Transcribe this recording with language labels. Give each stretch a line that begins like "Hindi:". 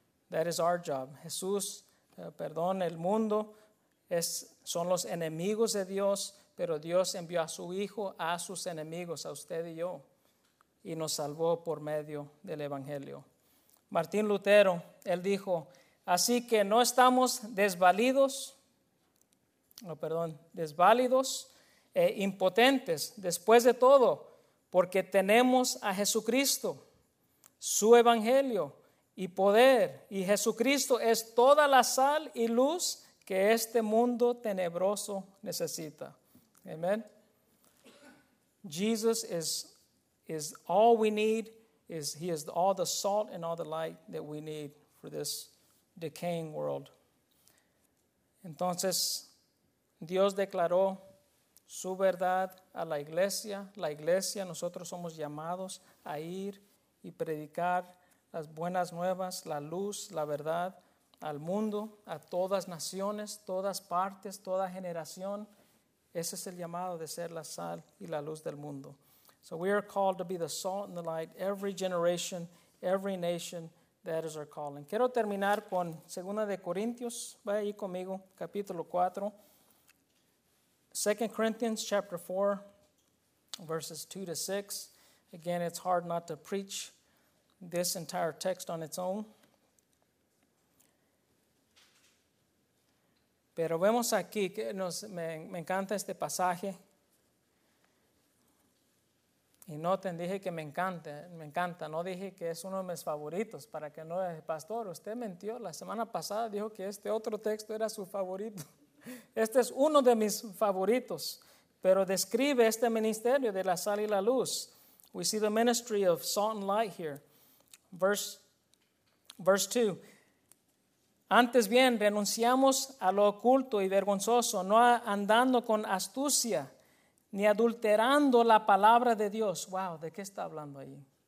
English: That is our job.
Spanish: Jesús, perdón, el mundo es, son los enemigos de Dios, pero Dios envió a su Hijo a sus enemigos, a usted y yo, y nos salvó por medio del evangelio. Martín Lutero, él dijo, así que no estamos desvalidos, desválidos e impotentes después de todo, porque tenemos a Jesucristo, su evangelio y poder, y Jesucristo es toda la sal y luz que este mundo tenebroso necesita.
English: Amen. Jesus is all we need. He is all the salt and all the light that we need for this decaying world.
Spanish: Entonces, Dios declaró su verdad a la iglesia. La iglesia, nosotros somos llamados a ir y predicar las buenas nuevas, la luz, la verdad al mundo, a todas naciones, todas partes, toda generación. Ese es el llamado de ser la sal y la luz del mundo.
English: So we are called to be the salt and the light. Every generation, every nation, that is our calling.
Spanish: Quiero terminar con 2 de Corintios. Vaya ahí conmigo, capítulo 4.
English: 2 Corinthians chapter 4, verses 2 to 6. Again, it's hard not to preach this entire text on its own.
Spanish: Pero vemos aquí, que me encanta este pasaje. Y noten, dije que me encanta. No dije que es uno de mis favoritos, para que no, pastor, usted mintió. La semana pasada dijo que este otro texto era su favorito. Este es uno de mis favoritos, pero describe este ministerio de la sal y la luz.
English: We see the ministry of salt and light here. Verse 2.
Spanish: Antes bien, renunciamos a lo oculto y vergonzoso, no andando con astucia, ni adulterando la palabra de Dios. Wow, ¿de qué está hablando ahí?